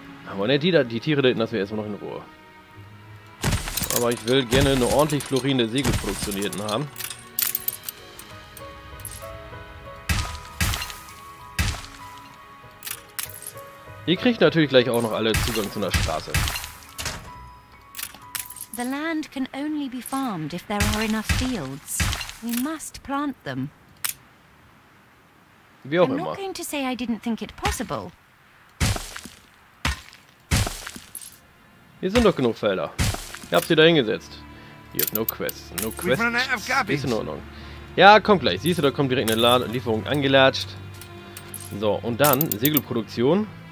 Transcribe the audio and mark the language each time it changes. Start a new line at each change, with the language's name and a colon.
German: Aber ne, die Tiere da hinten lassen wir erstmal noch in Ruhe. Aber ich will gerne eine ordentlich florierende Segelproduktion hier hinten haben. Ihr kriegt natürlich gleich auch noch alle Zugang zu einer Straße.
English: The land can only be farmed if there are enough fields. We must plant them.
German: Wie auch
English: I'm
German: immer.
English: Not going to say I didn't think it possible.
German: Hier sind doch genug Felder. Ich hab sie da hingesetzt. Hier ist
English: no quest.
German: Ist in Ordnung. Ja, kommt gleich. Siehst du, da kommt direkt eine Lieferung angelatscht. So, und dann Segelproduktion.